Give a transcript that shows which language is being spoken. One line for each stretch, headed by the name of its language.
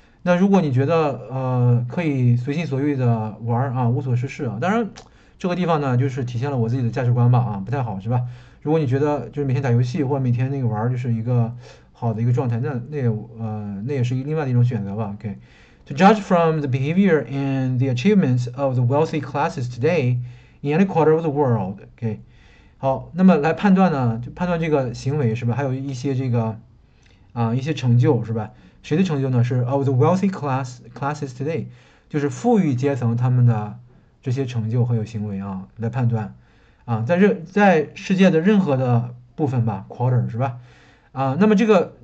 Chinese: 那如果你觉得可以随心所欲的玩无所事事当然这个地方呢就是体现了我自己的价值观吧不太好，是吧？如果你觉得就是每天打游戏或者每天那个玩就是一个好的一个状态，那也是另外的一种选择吧。
English: OK，to judge from the behavior and the achievements of the wealthy classes today。 In any quarter of the world, okay.
Chinese: 好，那么来判断呢，就判断这个行为是吧？还有一些这个，一些成就是吧？谁的成就呢？是
English: of the wealthy classes today，
Chinese: 就是富裕阶层他们的这些成就还有行为来判断，在世界的任何的部分吧，quarter 是吧？那么这个